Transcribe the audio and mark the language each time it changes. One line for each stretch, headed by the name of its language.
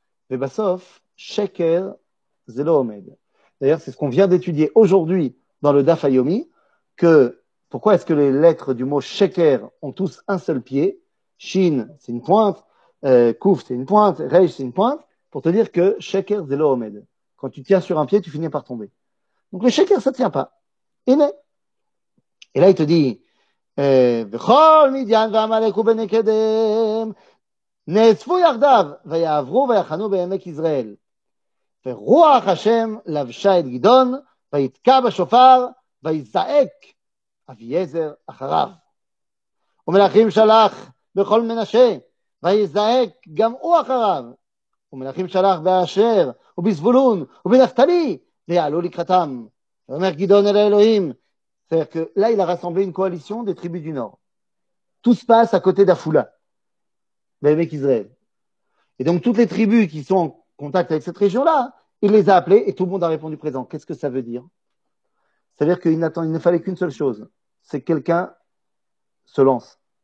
Hebrew: Vébassof, Sheker, Zélo Omed.
French: D'ailleurs, c'est ce qu'on vient d'étudier aujourd'hui dans le Daf Ayomi, que pourquoi est-ce que les lettres du mot Sheker ont tous un seul pied ? Shin, c'est une pointe, Kouf, c'est une pointe, Reish, c'est une pointe, pour te dire que
Hebrew: Sheker, Zélo Omed.
French: Quand tu tiens sur un pied, tu finis par tomber. Donc le Sheker, ça ne tient pas. Et là, il te dit,
Hebrew: וכל מדיין ועמלק ובנקדם נאספו יחדיו ויעברו ויחנו בעמק ישראל. ורוח השם לבשה את גדעון ויתקע בשופר ויזעק אביעזר אחריו. ומלאכים שלח בכל מנשה ויזעק גם הוא אחריו. ומלאכים שלח באשר ובזבולון ובנפתלי ויעלו לקראתם. ואומר גדעון אל האלוהים.
French: C'est-à-dire que là, il a rassemblé une coalition des tribus du Nord. Tout se passe à côté d'Afoula, l'Emek Israël. Et donc, toutes les tribus qui sont en contact avec cette région-là, il les a appelées et tout le monde a répondu présent. Qu'est-ce que ça veut dire ? C'est-à-dire qu'il n'attendait, il ne fallait qu'une seule chose, c'est que quelqu'un se lance.